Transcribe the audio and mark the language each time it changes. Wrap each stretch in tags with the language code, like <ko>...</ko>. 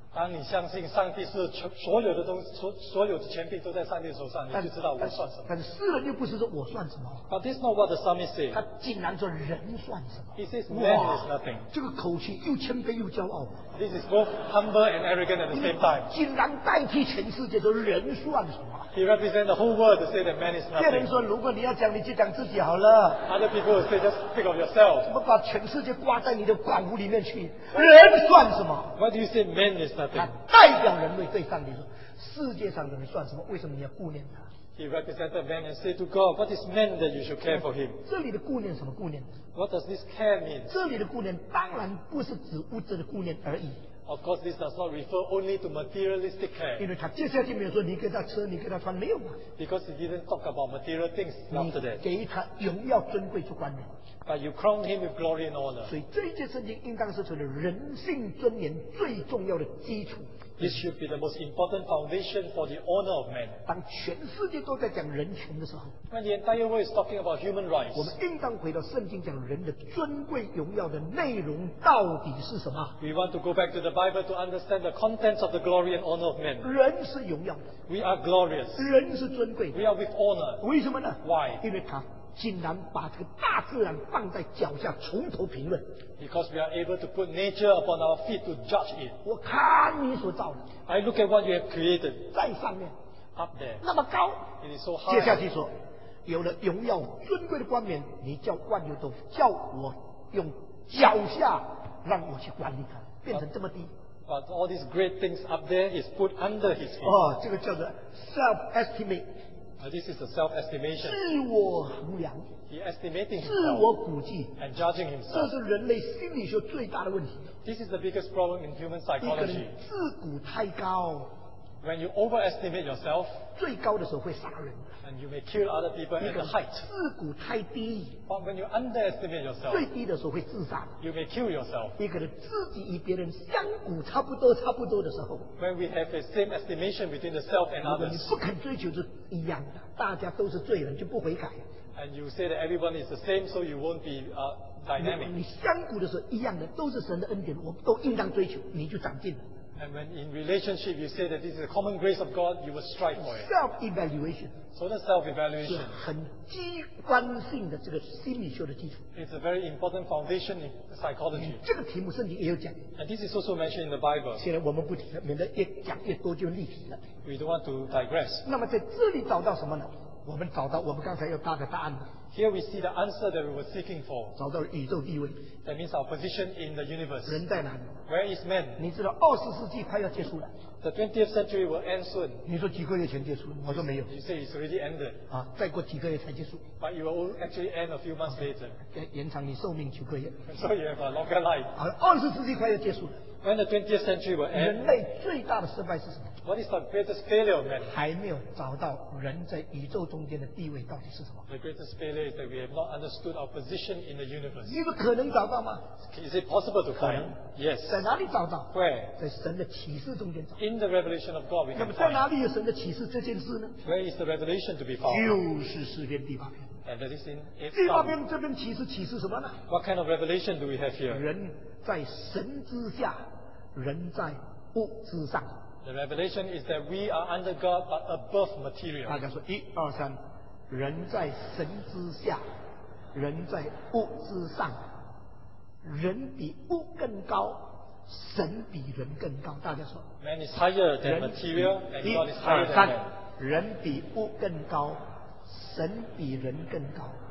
<zh>当你相信上帝是所有的东西，所有的权柄都在上帝手上，你就知道我算什么。但是诗人又不是说我算什么。</zh> <en>But this is not what the psalmist says.</en> <zh>他竟然说人算什么</zh> <en>？He says man is nothing.</en> <zh>这个口气又谦卑又骄傲。</zh> <en>This is both humble and arrogant at the same time.</en> <zh>竟然代替全世界说人算什么</zh> <en>？He represents the whole world to say that man is nothing.</en> <zh>别人说如果你要讲，你就讲自己好了。</zh> <en>Other people will say just think of yourself.</en> <zh>怎么把全世界挂在你的管屋里面去？人算什么</zh> <en>？What do you say man is？</en> <zh>他代表人类对上帝说：“世界上的人算什么？为什么你要顾念他</zh> <en>？”He represented man and said to God, "What is man that you should care for him?"</en> <zh>这里的顾念什么顾念</zh> <en>？What does this care mean?</en> <zh>这里的顾念当然不是指物质的顾念而已。</zh> <en>Of course, this does not refer only to materialistic care.</en> <zh>因为他接下去没有说你给他吃，你给他穿，没有嘛</zh> <en>？Because he didn't talk about material things after that.</en> <zh>你给他荣耀尊贵就冠冕。</zh> <en>But you crown him with glory and honor.</en> <zh>所以这一节圣经应当是成了人性尊严最重要的基础。</zh> <en>This should be the most important foundation for the honor of man.</en> <zh>当全世界都在讲人权的时候</zh> <en>，When the entire world is talking about human rights,</en> <zh>我们应当回到圣经讲人的尊贵荣耀的内容到底是什么</zh> <en>？We want to go back to the Bible to understand the contents of the glory and honor of man.</en> <zh>人是荣耀的</zh> <en>，We are glorious.</en> <zh>人是尊贵的</zh> <en>，We are with honor.</en> <zh>为什么呢</zh> <en>？Why?</en> <zh>因为他。竟然把这个大自然放在脚下，从头评论。</zh> <en>Because we are able to put nature upon our feet to judge it.</en> <zh>我看你所造的。</zh> <en>I look at what you have created.</en> <zh>在上面。</zh> <en>Up there.</en> <zh>那么高。</zh> <en>It is so high.</en> <zh>接下去说，有了荣耀尊贵的冠冕，你叫万有都叫我用脚下让我去管理它，变成这么低。</zh> <en>But all these great things up there is put under his feet.</en> <zh>哦，这个叫做 self-estimate。</zh> <en>This is a self-estimation.</en> <zh>自我衡量</zh> <en>He estimating himself.</en> <zh>自我估计</zh> <en>And judging himself.</en> <zh>这是人类心理学最大的问题</zh> <en>This is the biggest problem in human psychology.</en> <zh>一个人自估太高</zh> <en>When you overestimate yourself.</en> <zh>最高的时候会杀人</zh> <en>And you may kill other people at the height.</en> <zh>自估太低</zh> <en>But when you underestimate yourself.</en> <zh>最低的时候会自杀</zh> <en>You may kill yourself.</en> <zh>一个人自己与别人相估差不多差不多的时候</zh> <en>When we have the same estimation between the self and others.</en> <zh>如果你不肯追求这一样的，大家都是罪人，就不悔改。</zh> <en>And you say that everyone is the same, so you won't be dynamic.</en> <zh>你相顾的时候一样的，都是神的恩典，我们都应当追求，你就长进了。</zh> <en>And when in relationship you say that this is a common grace of God, you will strive for it. Self-evaluation. So that's self-evaluation.</en> <zh>是很基本性的这个心理学的基础。</zh> <en>It's a very important foundation in psychology.</en> <zh>这个题目圣经也有讲。</zh> <en>And this is also mentioned in the Bible.</en> <zh>现在我们不提了，免得越讲越多就离题了。</zh> <en>We don't want to digress.</en> <zh>那么在这里找到什么呢？我们找到我们刚才要答的答案。</zh> <en>Here we see the answer that we were seeking for.</en> <zh>找到宇宙地位。</zh> <en>That means our position in the universe.</en> <zh>人在哪里？</zh> <en>Where is man?</en> <zh>你知道20世纪快要结束了。</zh> <en>The 20th century will end soon.</en> <zh>你说几个月前结束？我说没有。</zh> <en>You say it's already ended.</en> <zh>再过几个月才结束。</zh> <en>But it will actually end a few months later.</en> <zh>延长你寿命9个月。</zh> <en>So you have a longer life.</en> <zh>20世纪快要结束了。</zh> <en>When the 20th century will end.</en> <zh>人类最大的失败是什么？</zh> <en>What is the greatest failure of man?</en> <zh>还没有找到人在宇宙中间的地位到底是什么？</zh> <en>The greatest failure is that we have not understood our position in the universe.</en> <zh>你不可能找到吗？</zh> <en>Is it possible to find? Yes.</en> <zh>在哪里找到？</zh> <en>Where?</en> <zh>在神的启示中间找。</zh> <en>In the revelation of God we can find.</en> <zh>那么在哪里有神的启示这件事呢？</zh> <en>Where is the revelation to be found?</en> <zh>就是诗篇第八篇。</zh> <en>And that is in its Psalm.</en> <zh>第八篇这篇启示什么呢？</zh> <en>What kind of revelation do we have here?</en> <zh>人在神之下，人在物之上。</zh> <en>The revelation is that we are under God but above material.</en> <zh>大家说一二三， 人在神之下， 人在物之上， 人比物更高， 神比人更高。大家说，</zh> <en>man is higher than material and God is higher than man.</en> <zh>人比物更高， 神比人更高。</zh>